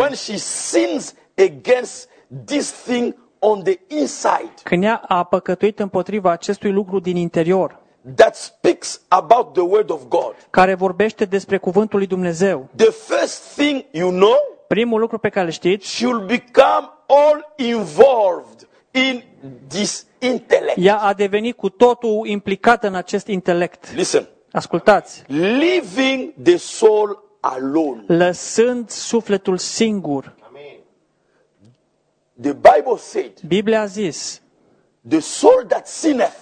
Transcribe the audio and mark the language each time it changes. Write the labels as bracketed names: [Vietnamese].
[English] When she sins against this thing on the inside. [Romanian] Când ea a păcătuit împotriva acestui lucru din interior. [English] That speaks about the word of God. [Romanian] Care vorbește despre cuvântul lui Dumnezeu. [English] The first thing you know. [Romanian] Primul lucru pe care îl știți. [English] She will become all involved in this intellect. [Romanian] Ea a devenit cu totul implicată în acest intelect. [English] Listen. [Romanian] Ascultați. [English] Leaving the soul alone. [Romanian] Lăsând sufletul singur. [English] Amen. The Bible said. [Romanian] Biblia a zis. [English] The soul that sinneth.